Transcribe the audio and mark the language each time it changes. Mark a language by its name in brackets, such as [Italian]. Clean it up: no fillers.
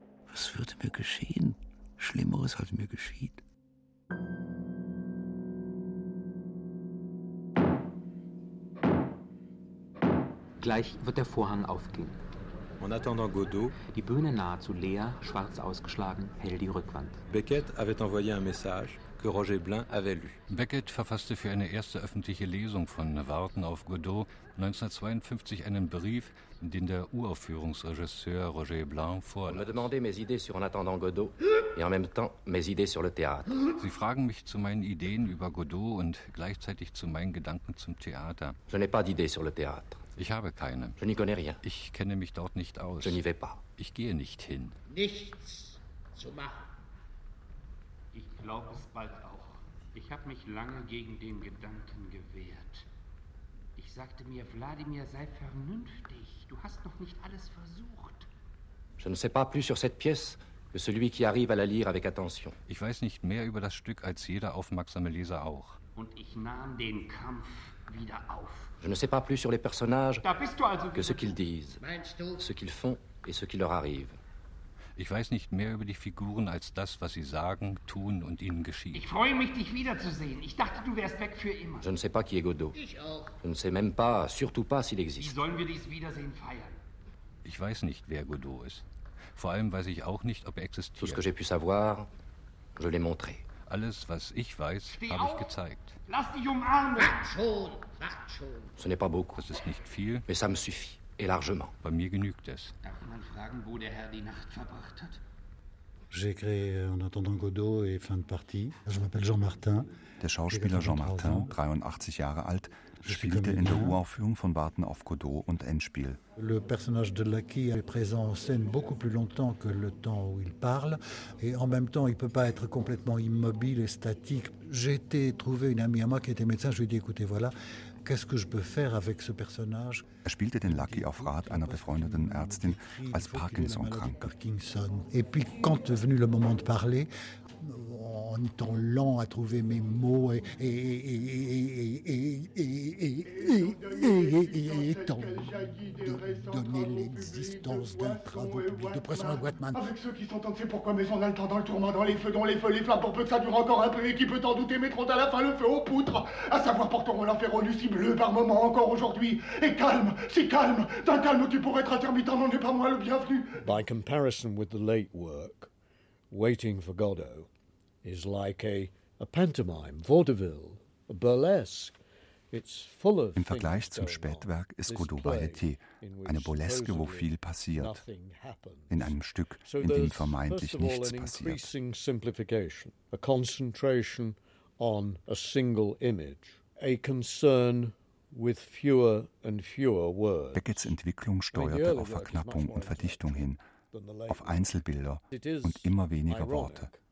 [German] Was würde mir geschehen? Schlimmeres als mir geschieht. Gleich wird der Vorhang aufgehen. [French] En attendant Godot, [German] die Bühne nahezu leer, schwarz ausgeschlagen, hell die Rückwand. [French] Beckett avait envoyé un message que Roger Blin avait lu. [German] Beckett verfasste für eine erste öffentliche Lesung von Warten auf Godot 1952 einen Brief, den der Uraufführungsregisseur Roger Blin vorlas. [French] On m'a demandé mes idées sur En attendant Godot et en même temps mes idées sur le théâtre. [German] Sie fragen mich zu meinen Ideen über Godot und gleichzeitig zu meinen Gedanken zum Theater. [French] Je n'ai pas d'idées sur le théâtre. [German] Ich habe keine. [French] Je n'y connais rien. [German] Ich kenne mich dort nicht aus. [French] Je n'y vais pas. [German] Ich gehe nicht hin. Nichts zu machen. Ich glaube es bald auch. Ich habe mich lange gegen den Gedanken gewehrt. Ich sagte mir, Wladimir, sei vernünftig. Du hast noch nicht alles versucht. [French] Je ne sais pas plus sur cette pièce que celui qui arrive à la lire avec attention. [German] Ich weiß nicht mehr über das Stück als jeder aufmerksame Leser auch. Und ich nahm den Kampf wieder auf. [French] Je ne sais pas plus sur les personnages [German] also [French] que ce qu'ils disent, ce qu'ils font et ce qui leur arrive. [German] Ich weiß nicht mehr über die Figuren als das, was sie sagen, tun und ihnen geschieht. Ich freue mich, dich wiederzusehen. Ich dachte, du wärst weg für immer. [French] Je ne sais pas qui est Godot. [German] Ich auch. [French] Je ne sais même pas, surtout pas, s'il existe. [German] Wie sollen wir dieses Wiedersehen feiern? Ich weiß nicht, wer Godot ist. Vor allem weiß ich auch nicht, ob er existiert. [French] Tout ce que j'ai pu savoir, je l'ai montré. [German] Alles, was ich weiß, habe ich gezeigt. Lass dich umarmen! Mach schon! [French] Ce n'est pas beaucoup. [German] Das ist nicht viel. [French] Mais ça me suffit. Et largement. [German] Bei mir genügt es. Darf man fragen, wo der Herr die Nacht verbracht hat? [French] J'ai créé En attendant Godot et fin de partie. Je m'appelle Jean Martin. [German] Der Schauspieler Jean Martin, 83 Jahre alt, spielte in der Uraufführung von Warten auf Godot und Endspiel. [French] Le personnage de Lucky est présent en scène beaucoup plus longtemps que le temps où il parle et en même temps il peut pas être complètement immobile et statique. J'ai été trouver une amie à moi qui était médecin, je lui ai dit écoutez voilà, qu'est-ce que je peux faire avec ce personnage? [German] Er spielte den Lucky auf Rat einer befreundeten Ärztin als Parkinson-Kranken. [French] Et puis quand est venu le moment de parler, en étant lent à trouver mes mots et de donner l'existence d'un travaux public de pression à Wattman. Avec ceux qui sont entrés, pourquoi maison dans le temps, dans le tourment, dans les feux, dans les feux, les flammes, pour peu que ça dure encore un peu, et qui peut en douter, mettront à la fin le feu aux poutres, à savoir porteront l'enfer aux Lucie bleues par moment encore aujourd'hui, et calme, si calme, d'un calme qui pourrait être intermittent, n'en est pas moins le bienvenu. [English] By comparison with the late work, Waiting for Godot is like a pantomime, vaudeville, a burlesque. It's full of. [German] Im Vergleich zum Spätwerk ist Godot Varieté eine Burleske, wo viel passiert. In einem Stück, in dem vermeintlich nichts passiert. [English] Increasing simplification, a concentration on a single image, a concern with fewer and fewer words. [German] Beckets Entwicklung steuerte auf Verknappung und Verdichtung hin. Auf Einzelbilder und immer weniger Worte.